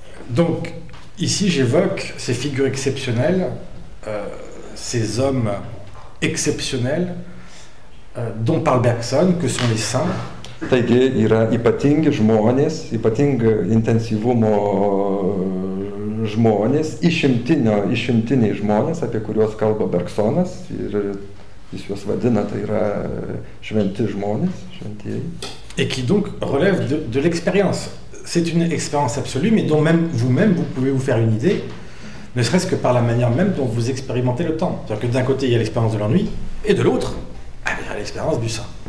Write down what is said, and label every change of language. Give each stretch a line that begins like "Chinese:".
French: Donc, ici, j'évoque ces figures exceptionnelles, ces hommes exceptionnels dont parle Bergson, que sont les saints.
Lithuanian: Taigi, yra ypatingi žmonės, ypatingi intensyvumo žmonės, išimtiniai žmonės, apie kuriuos kalba Bergsonas, ir jis juos vadina, tai yra šventi žmonės, šventieji.
French: Et qui donc relève de l'expérience. C'est une expérience absolue, mais dont même vous-même, vous pouvez vous faire une idée, ne serait-ce que par la manière même dont vous expérimentez le temps. C'est-à-dire que d'un côté, il y a l'expérience de l'ennui, et de l'autre, il y a l'expérience du saint.